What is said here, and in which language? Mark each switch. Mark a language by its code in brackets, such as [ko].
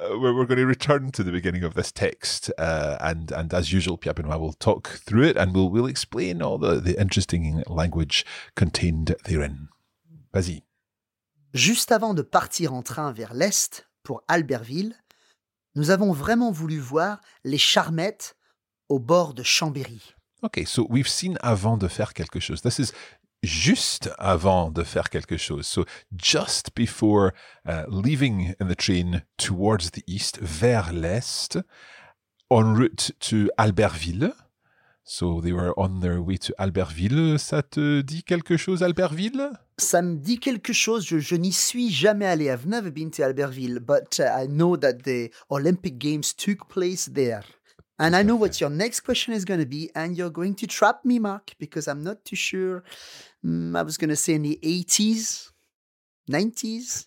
[en] We're going to return to the beginning of this text. And as usual, Pierre Benoît will talk through it and we'll explain all the interesting language contained therein. [fr] Vas-y. Juste avant de partir en train vers l'Est... Pour Albertville, nous avons vraiment voulu voir les Charmettes au bord de Chambéry. [en] Okay, so we've seen avant de faire quelque chose. This is juste avant de faire quelque chose. So just before leaving in the train towards the east, vers l'est, en route to Albertville. So they were on their way to Albertville. [fr] Ça te dit quelque chose, Albertville? Ça me dit quelque chose. Je n'y suis jamais allé. [en] I've never been to Albertville, but I know that the Olympic Games took place there. And I know what your next question is going to be, and you're going to trap me, Mark, because I'm not too sure. I was going to say in the 80s, 90s.